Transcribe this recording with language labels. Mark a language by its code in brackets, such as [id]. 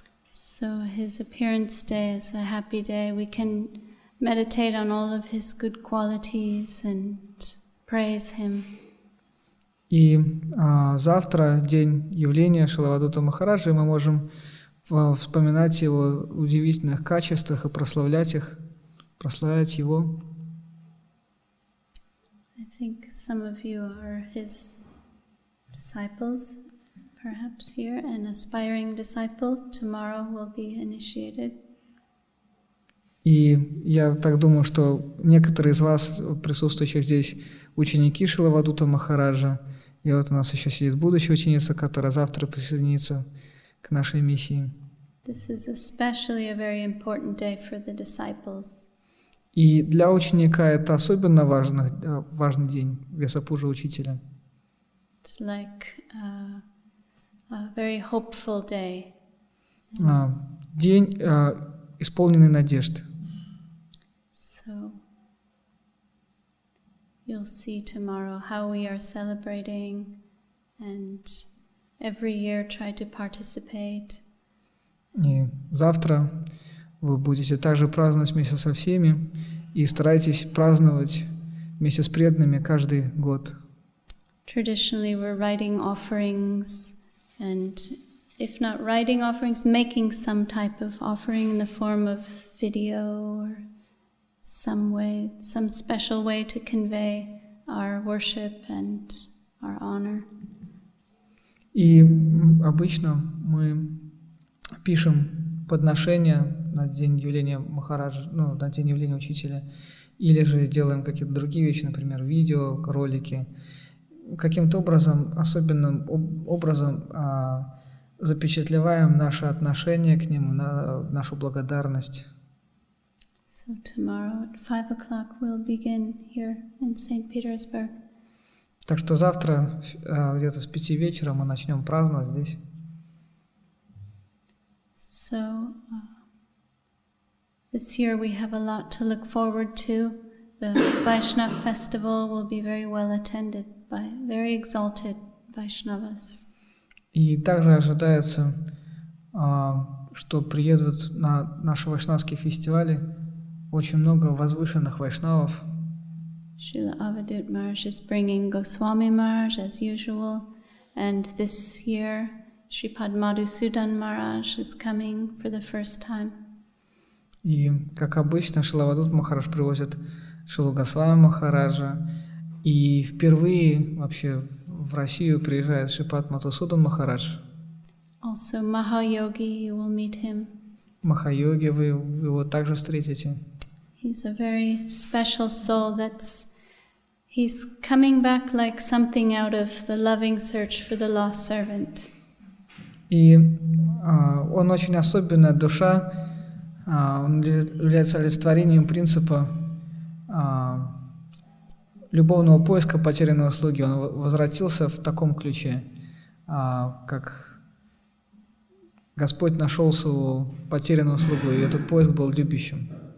[en] So his appearance day is a happy day. We can meditate on all of his good qualities and praise him. [ru] И завтра день явления Шиловадута Махараджи, мы можем вспоминать его удивительных качествах и прославлять их, прославлять его. [en] I think some of you are his disciples, perhaps here, an aspiring disciple. Tomorrow will be initiated. [ru] И я так думаю, что некоторые из вас, присутствующих здесь, ученики Шиловадута Махараджа, и вот у нас еще сидит будущая ученица, которая завтра присоединится к нашей миссии. [en] This is especially a very important day for the disciples. [ru] И для ученика это особенно важный день, Вьясапужа учителя. [en] It's like a very hopeful day. [ru] День, исполненный надежд. [en] So you'll see tomorrow how we are celebrating and every year try to participate. [ru] И завтра вы будете также праздновать вместе со всеми. И старайтесь праздновать вместе с преданными каждый год. [en] Traditionally we're writing offerings, and if not writing offerings, making some type of offering in the form of video or some way, some special way to convey our worship and our honor. [ru] И обычно мы пишем подношения на день явления Махараджа, ну, на день явления учителя, или же делаем какие-то другие вещи, например, видео, ролики, каким-то образом, особенным образом запечатлеваем наше отношение к нему, нашу благодарность. [en] So tomorrow at 5 o'clock we'll begin here in St. Petersburg. [ru] Так что завтра где-то с 5 вечера мы начнем праздновать здесь. [en] So this year we have a lot to look forward to. The Vaishnava festival will be very well attended by very exalted Vaishnavas. [ru] И также ожидается, что приедут на наши вайшнавские фестивали очень много возвышенных вайшнавов. [en] Srila Avadhut Maharaj is bringing Goswami Maharaj as usual, and this year Shri Padmadusudan Maharaj is coming for the first time. [ru] И, как обычно, Шиловадут Махарадж привозит Шилу Госвами Махараджа. И впервые вообще в Россию приезжает Шри Падмадусудан Махарадж. [en] Also Mahayogi, you will meet him. [ru] Mahayogi, вы его также встретите. [en] He's a very special soul that's... He's coming back like something out of the loving search for the lost servant. [ru] И он очень особенная душа, он является олицетворением принципа любовного поиска потерянной слуги. Он возвратился в таком ключе, как Господь нашел свою потерянную слугу, и этот поиск был любящим.